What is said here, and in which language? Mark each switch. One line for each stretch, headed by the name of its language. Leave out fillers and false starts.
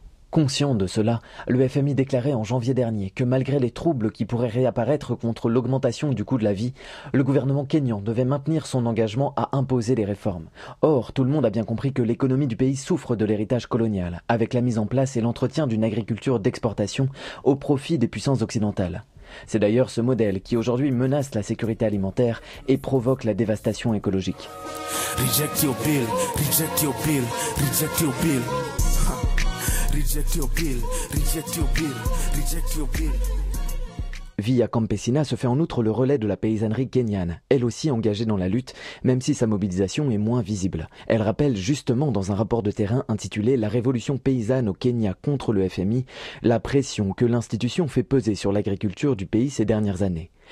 French: Conscient de cela, le FMI déclarait en janvier dernier que malgré les troubles qui pourraient réapparaître contre l'augmentation du coût de la vie, le gouvernement kényan devait maintenir son engagement à imposer les réformes. Or, tout le monde a bien compris que l'économie du pays souffre de l'héritage colonial, avec la mise en place et l'entretien d'une agriculture d'exportation au profit des puissances occidentales. C'est d'ailleurs ce modèle qui aujourd'hui menace la sécurité alimentaire et provoque la dévastation écologique.
English: Reject your bill, reject your bill, reject your bill. Reject your bill, reject your bill, reject your bill.
French: Via Campesina se fait en outre le relais de la paysannerie kényane, elle aussi engagée dans la lutte, même si sa mobilisation est moins visible. Elle rappelle justement dans un rapport de terrain intitulé « La révolution paysanne au Kenya contre le FMI » la pression que l'institution fait peser sur l'agriculture du pays ces dernières années.